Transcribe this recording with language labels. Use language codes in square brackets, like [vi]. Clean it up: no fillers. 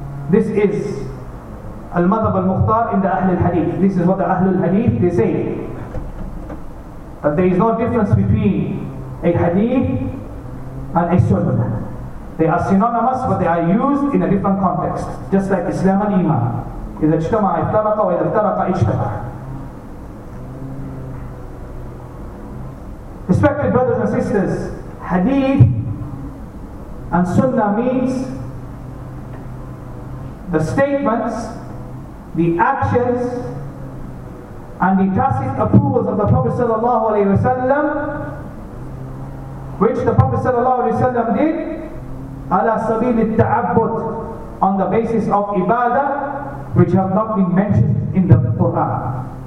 [en] This is al-madhab al-mukhtar in the Ahlul Hadith. This is what the Ahlul Hadith, they say. That there is no difference between a hadith and a sunnah. They are synonymous, but they are used in a different context. Just like Islam and Iman. [ar] إذا اجتمع افترق وإذا افترق اجتمع. [en] Respected brothers and sisters, hadith and sunnah means the statements, the actions, and the tacit approvals of the Prophet sallallahu alaihi wasallam, which the Prophet sallallahu alaihi wasallam did ala sabil al-ta'abbud, on the basis of ibadah, which have not been mentioned in the Quran.